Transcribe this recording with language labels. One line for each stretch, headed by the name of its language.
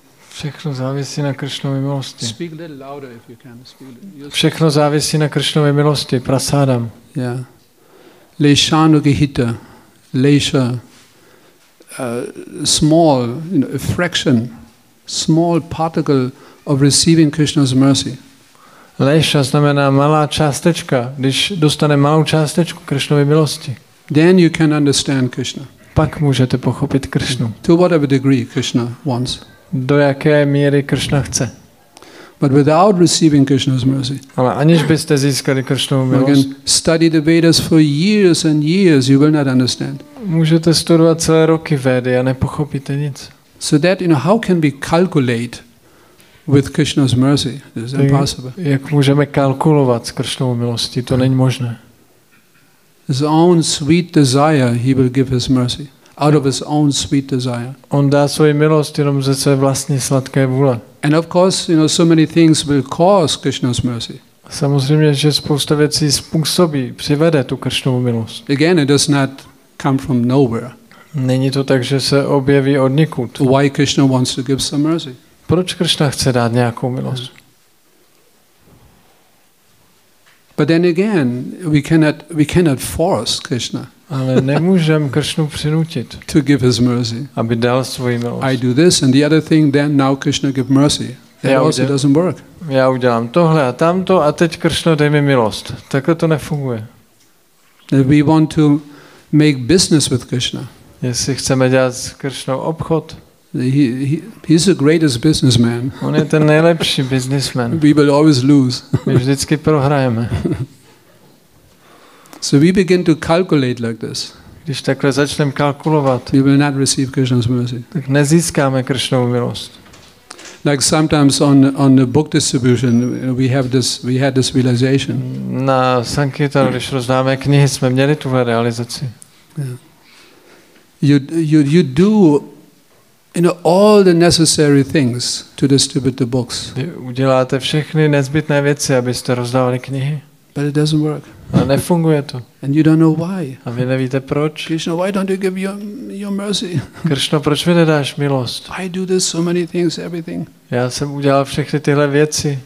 Czech: Všechno závisí na Krishnově milosti.
English: Speak a little louder if you can. Speak.
Czech: Všechno závisí na Krishnově milosti, prasadam.
English: Yeah. Leishanu gihita, leisha, small, you know, a fraction, small particle of receiving Krishna's mercy.
Czech: Leisha znamená malá částečka, když dostane malou částečku Krishnovy milosti.
English: Then you can understand Krishna.
Czech: Pak můžete pochopit Krishnu.
English: To whatever degree Krishna wants.
Czech: Do jaké míry Krishna chce.
English: But without receiving Krishna's mercy.
Czech: Ale aniž byste získali Krishnovu milost.
English: You can study the Vedas for years and years, you will not understand.
Czech: Můžete studovat celé roky Vedy a nepochopíte nic.
English: So that, you know, how can we calculate with Krishna's mercy? It's impossible.
Czech: Jak můžeme kalkulovat s Krishnovou milostí? To není možné.
English: His own sweet desire, he will give his mercy. Out of his own sweet desire.
Czech: On dá svoji milost jenom ze své vlastní sladké vůle.
English: And of course, you know, so many things will cause Krishna's mercy.
Czech: Samozřejmě, že spousta věcí způsobí, přivede tu Krishnovu milost.
English: Again, it does not come from nowhere.
Czech: Není to tak, že se objeví od nikud.
English: Why Krishna wants to give some mercy?
Czech: Proč Krishna chce dát nějakou milost?
English: But then again, we cannot force Krishna.
Czech: Ale nemůžeme Krishnu přinutit.
English: To give his mercy.
Czech: Aby dal svoji milost.
English: I do this and the other thing, then now Krishna give mercy. That also doesn't work.
Czech: Já udělám tohle a tamto a teď Krishna dej mi milost. Takhle to nefunguje.
English: If we want to make business with Krishna.
Czech: Jestli chceme dělat s Krishnou obchod.
English: He's the greatest businessman.
Czech: On je ten nejlepší businessman.
English: We will always lose.
Czech: My vždycky prohrajeme.
English: So we begin to calculate like this.
Czech: Když takhle začneme kalkulovat,
English: we will not receive Krishna's mercy.
Czech: Tak nezískáme Krishnovu milost.
English: Like sometimes on the book distribution, we have this, we had this realization.
Czech: Na sankirtan, když rozdáme knihy, jsme měli tuhle realizaci.
English: You do, you know, all the necessary things to distribute the books.
Czech: Uděláte všechny nezbytné věci, abyste rozdávali knihy.
English: But it doesn't work.
Czech: A nefunguje to.
English: And you don't know why.
Czech: A vy nevíte proč.
English: Krishna, why don't you give your mercy?
Czech: Krishna, proč mi nedáš milost?
English: I do this so many things, everything.
Czech: Já jsem udělal všechny tyhle věci.